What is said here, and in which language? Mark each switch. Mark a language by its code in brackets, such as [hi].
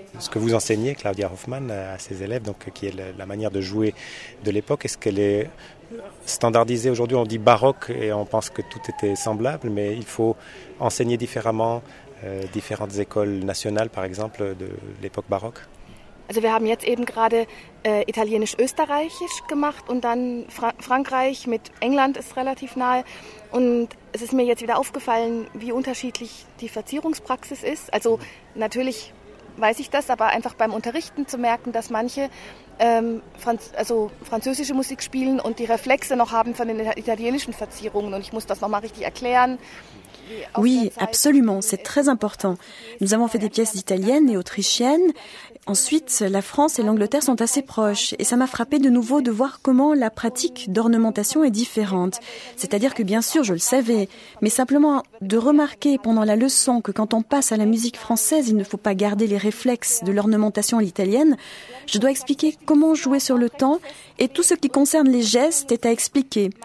[fr] Que vous enseignez, Claudia Hoffmann, à ses élèves, donc, qui est la manière de jouer de l'époque, est-ce qu'elle est standardisée? Aujourd'hui, on dit baroque et on pense que tout était semblable, mais il faut enseigner différemment différentes écoles nationales, par exemple, de l'époque baroque. [de] Also wir haben jetzt eben gerade italienisch-österreichisch gemacht und dann Frankreich mit England ist relativ nahe. Und es ist mir jetzt wieder aufgefallen, wie unterschiedlich die Verzierungspraxis ist. Also natürlich weiß ich das, aber einfach beim Unterrichten zu merken, dass manche französische Musik spielen und die Reflexe noch haben von den italienischen Verzierungen. Und ich muss das nochmal richtig erklären. [fr] Oui, absolument, c'est très important. Nous avons fait des pièces italiennes et autrichiennes. Ensuite, la France et l'Angleterre sont assez proches. Et ça m'a frappé de nouveau de voir comment la pratique d'ornementation est différente. C'est-à-dire que, bien sûr, je le savais, mais simplement de remarquer pendant la leçon que quand on passe à la musique française, il ne faut pas garder les réflexes de l'ornementation à l'italienne, je dois expliquer comment jouer sur le temps et tout ce qui concerne les gestes est à expliquer.